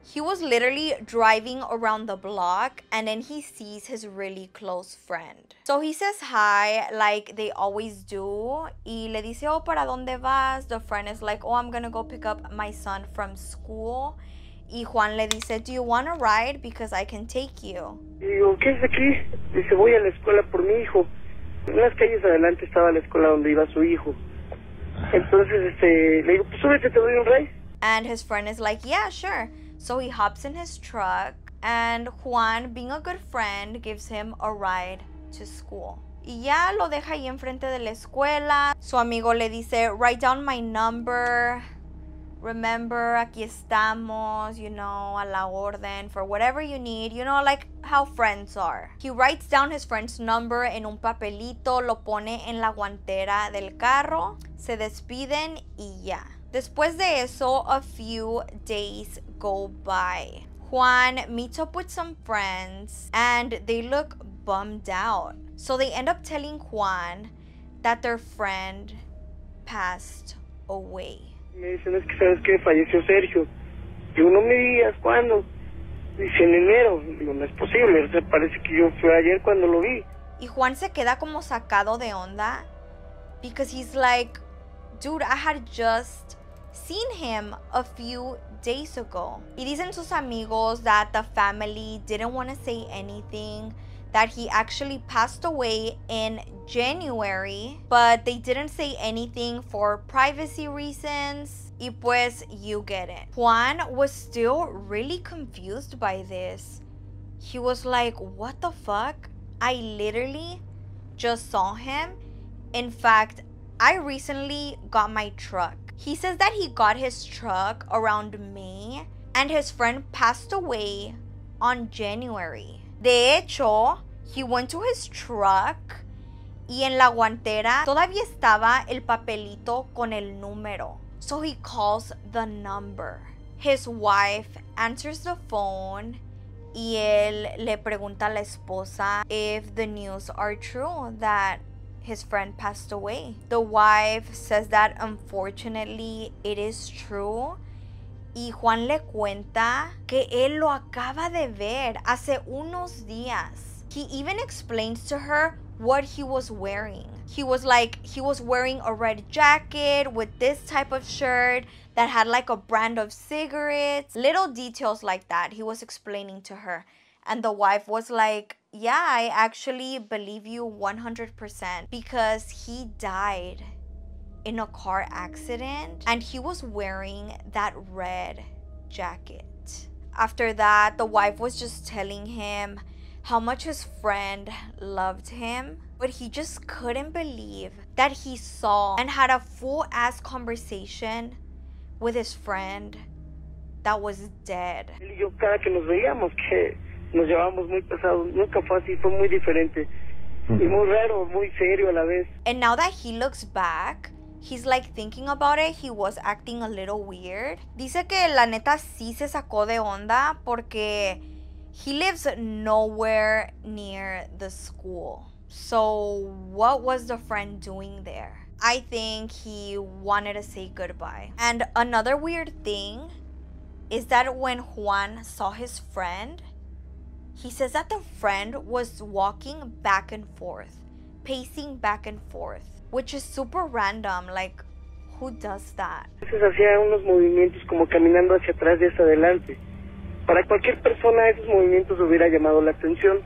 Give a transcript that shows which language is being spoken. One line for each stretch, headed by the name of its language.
English: He was literally driving around the block, and then he sees his really close friend. So he says hi, like they always do.
Spanish: Y le dice, oh, ¿para dónde vas?
English: The friend is like, oh, I'm gonna go pick up my son from school.
Spanish: Y Juan le dice,
English: do you want a ride? Because I can take you.
Spanish: Y digo, ¿qué es aquí? Dice, voy a la escuela por mi hijo. En las calles adelante estaba la escuela donde iba su hijo. Entonces, le digo, pues súbete, te doy un ride.
English: And his friend is like, yeah, sure. So he hops in his truck. And Juan, being a good friend, gives him a ride to school.
Spanish: Y ya lo deja ahí enfrente de la escuela. Su amigo le dice,
English: write down my number. Remember,
Spanish: aquí estamos,
English: you know,
Spanish: a la orden
English: for whatever you need. You know, like how friends are. He writes down his friend's number
Spanish: en un papelito, lo pone en la guantera del carro, se despiden y ya. Después de eso,
English: a few days go by. Juan meets up with some friends and they look bummed out. So they end up telling Juan that their friend passed away.
Spanish: Me dicen, es que sabes que falleció Sergio. Y uno me digas, ¿cuándo? Dice, en enero. Digo, no es posible. O sea, parece que yo fui ayer cuando lo vi. Y Juan se queda como sacado de onda.
English: Because he's like, dude, I had just seen him a few days ago.
Spanish: Y dicen sus amigos
English: that the family didn't want to say anything. That he actually passed away in January, but they didn't say anything for privacy reasons.
Spanish: Y pues,
English: you get it. Juan was still really confused by this. He was like, what the fuck? I literally just saw him. In fact, I recently got my truck. He says that he got his truck around May and his friend passed away on January.
Spanish: De hecho,
English: he went to his truck
Spanish: y en la guantera todavía estaba el papelito con el número.
English: So he calls the number. His wife answers the phone
Spanish: y él le pregunta a la esposa
English: if the news are true that his friend passed away. The wife says that unfortunately it is true.
Spanish: Y Juan le cuenta que él lo acaba de ver hace unos días.
English: He even explains to her what he was wearing. He was like, he was wearing a red jacket with this type of shirt that had like a brand of cigarettes. Little details like that he was explaining to her. And the wife was like, yeah, I actually believe you 100% because he died in a car accident and he was wearing that red jacket. After that, the wife was just telling him how much his friend loved him, but he just couldn't believe that he saw and had a full-ass conversation with his friend that was dead.
Spanish: Él y yo cada que nos veíamos que nos llevábamos muy pesados, nunca fue así, fue muy diferente y muy raro, muy serio a la vez.
English: And now that he looks back, he's like thinking about it, he was acting a little weird.
Spanish: Dice que la neta sí se sacó de onda porque
English: he lives nowhere near the school. So what was the friend doing there? I think he wanted to say goodbye. And another weird thing is that when Juan saw his friend, he says that the friend was walking back and forth, pacing back and forth, which is super random. Like, who does that?
Spanish: Entonces hacía unos movimientos como caminando hacia atrás y hacia adelante. Para cualquier persona esos movimientos hubiera llamado la atención.